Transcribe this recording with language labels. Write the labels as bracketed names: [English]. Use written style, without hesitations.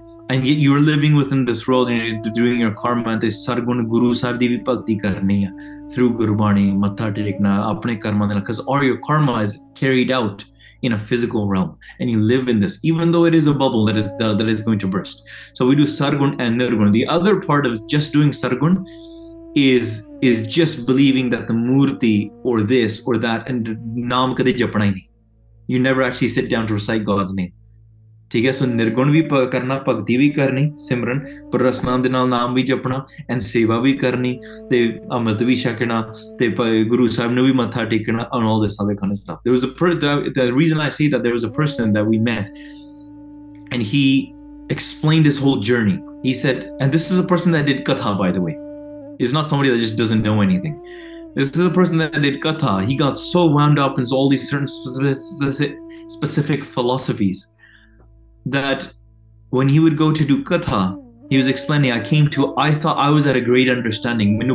[English] And yet you are living within this world and you're doing your karma. This [Punjabi] sargun guru sahib di bhakti karni hai [English] through [Punjabi] gurbani matha tekna apne karma nal, [English] because all your karma is carried out in a physical realm and you live in this, even though it is a bubble that is going to burst. So we do sargun and nirgun. The other part of just doing sargun is just believing that the murti or this or that, and [Punjabi] naam kade japna hi nahi. [English] You never actually sit down to recite God's name. [Punjabi] ਠੀਕ ਹੈ. ਸੋ ਨਿਰਗੁਣ ਵੀ ਕਰਨਾ, ਭਗਤੀ ਵੀ ਕਰਨੀ, ਸਿਮਰਨ ਪਰ ਰਸਨਾਂ ਦੇ ਨਾਲ ਨਾਮ ਵੀ ਜਪਣਾ, and ਸੇਵਾ ਵੀ ਕਰਨੀ ਤੇ ਅੰਮ੍ਰਿਤ ਵੀ ਛਕਣਾ ਤੇ ਗੁਰੂ ਸਾਹਿਬ ਨੂੰ ਵੀ ਮੱਥਾ ਟੇਕਣਾ. [English] On all this ਸਾਰੇ kind of stuff there was a person that the reason I see that there was a person that we met and he explained his whole journey. He said, and this is a person that did Katha by the way, is not somebody that just doesn't know anything. This is a person that did Katha. He got so wound up in all these certain specific philosophies that when he would go to do Katha, he was explaining, I came to, I thought I was at a great understanding.